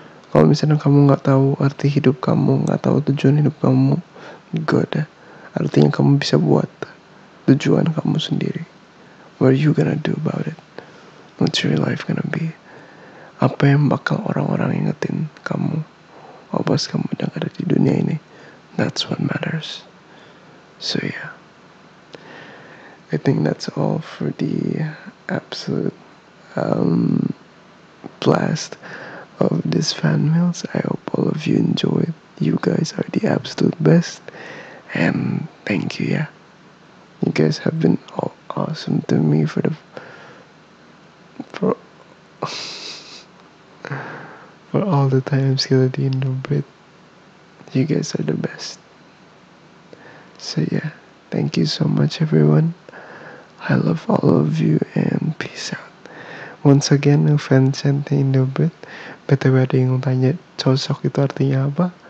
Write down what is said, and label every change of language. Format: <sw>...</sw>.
<id>Kalau misalnya kamu gak tahu arti hidup kamu, gak tahu tujuan hidup kamu, good. Artinya kamu bisa buat tujuan kamu sendiri.</id> <en>What are you gonna do about it? What's your life gonna be?</en> <id>Apa yang bakal orang-orang ingetin kamu? Obas kamu udah gak ada di dunia ini.</id> <en>That's what matters. So yeah, I think that's all for the absolute blast of this fan mails. I hope all of you enjoyed. You guys are the absolute best. And thank you, yeah. You guys have been all awesome to me for for all the times here at the end of it. You guys are the best. So yeah, thank you so much everyone. I love all of you and peace out. Once again, a fan sent the end of it.</en> <id>Btw, ada yang tanya cocok itu artinya apa?</id>